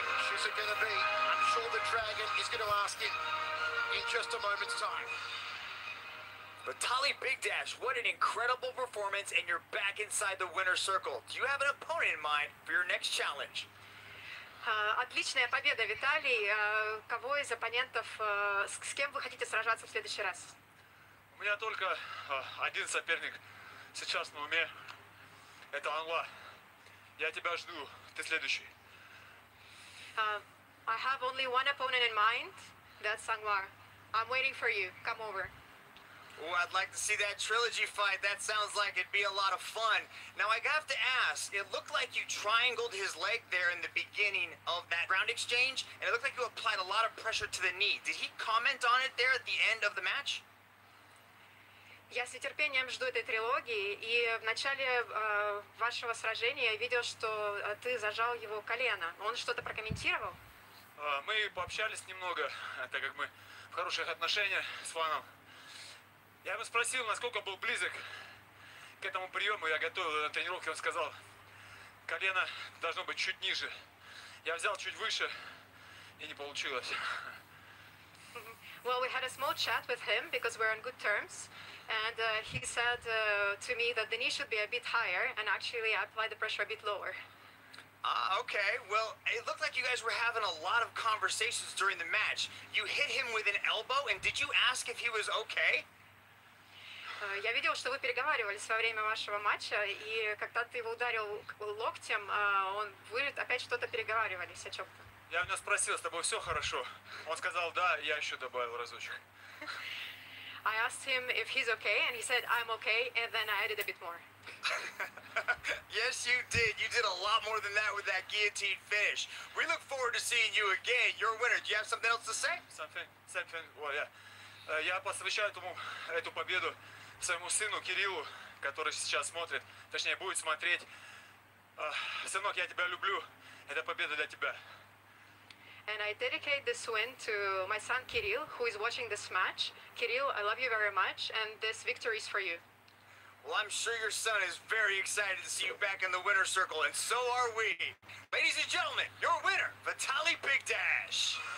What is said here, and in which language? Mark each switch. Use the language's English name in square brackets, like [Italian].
[English] Which is it going to be? I'm sure the dragon is going to ask him in just a moment's time. Vitaly Big Dash, what an incredible performance, and you're back inside the winner's circle. Do you have an opponent in mind for your next challenge? [Russian] Отличная победа, Виталий. Кого из оппонентов, с кем вы хотите сражаться в следующий раз? У меня только один соперник сейчас на уме. Это Англа. Я тебя жду. Ты следующий. [English] I have only one opponent in mind. That's Англа. I'm waiting for you. Come over. Oh, I'd like to see that trilogy fight. That sounds like it'd be a lot of fun. Now, I have to ask, it looked like you triangled his leg there in the beginning of that ground exchange, and it looked like you applied a lot of pressure to the knee. Did he comment on it there at the end of the match? [Russian] Я с нетерпением жду этой трилогии, и в начале вашего сражения я видел, что ты зажал его колено. Он что-то прокомментировал? Мы пообщались немного, так как мы в хороших отношениях с Ваном. Я бы спросил, насколько был близок к этому приему. Я готовил на тренировке, он сказал, колено должно быть чуть ниже. Я взял чуть выше, и не получилось. [English] Well, we had a small chat with him, because we're on good terms. And he said to me that the knee should be a bit higher, and actually I applied the pressure a bit lower. Okay, well, it looked like you guys were having a lot of conversations during the match. You hit him with an elbow, and did you ask if he was okay? [Russian] Я видел, что вы переговаривались во время вашего матча, и когда ты его ударил локтем, он вы опять что-то переговаривались о чем-то. Я у него спросил, с тобой все хорошо? Он сказал, да, я еще добавил разочек. [English] I asked him if he's okay, and he said, I'm okay, and then I added a bit more. Yes, you did. You did a lot more than that with that guillotine finish. We look forward to seeing you again. You're a winner. Do you have something else to say? Same thing. Well, yeah. [Russian] Я посвящаю этому эту победу своему сыну Кириллу, который сейчас смотрит, точнее будет смотреть. Сынок, я тебя люблю. Эта победа для тебя. [English] And I dedicate this win to my son Kirill, who is watching this match. Kirill, I love you very much, and this victory is for you. Well, I'm sure your son is very excited to see you back in the winner's circle, and so are we. Ladies and gentlemen, your winner, Vitaly Big Dash.